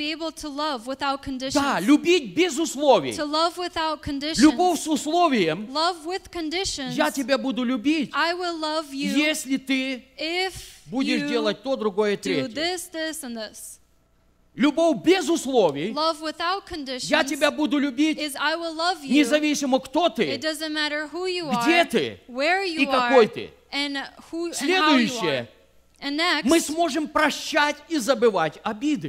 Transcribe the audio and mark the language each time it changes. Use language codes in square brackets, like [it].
[en] Conditions. [ru] Да, любить без условий. [en] To love without conditions. [ru] Любовь с условием. [en] Love with conditions. [ru] Я тебя буду любить. [en] I will love you. [ru] Если ты [en] if [ru] будешь [en] you [ru] делать то, другое, третье. [en] Do this, this, and this. [ru] Любовь без условий. [en] Love without conditions. [ru] Я тебя буду любить. [en] Is I will love you. [ru] Независимо кто ты. [en] It doesn't matter who you are. [ru] Где ты? [en] Where you [ru] и какой [en] are, [ru] ты? [en] And who [ru] Следующее. [en] And how you are. And next, [ru] мы сможем прощать и забывать обиды.